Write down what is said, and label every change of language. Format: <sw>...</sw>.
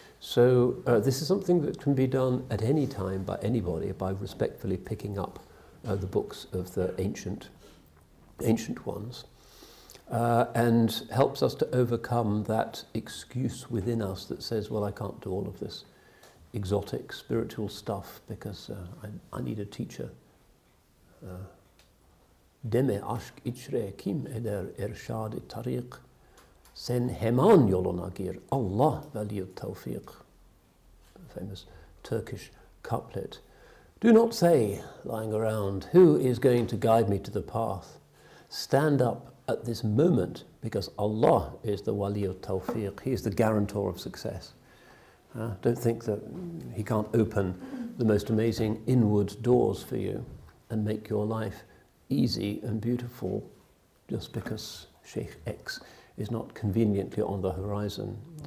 <en>So this is something that can be done at any time by anybody, by respectfully picking up the books of the ancient ones, and helps us to overcome that excuse within us that says, well, I can't do all of this exotic spiritual stuff because I need a teacher.</en> <tr>Deme aşk içre kim eder irşad-ı tariq, sen hemen yoluna gir, Allah veli tevfik.</tr> <en>Famous Turkish couplet. Do not say, lying around, who is going to guide me to the path? Stand up at this moment, because Allah is the wali of tawfiq. He is the guarantor of success. Don't think that he can't open the most amazing inward doors for you and make your life easy and beautiful just because Sheikh X is not conveniently on the horizon.</en>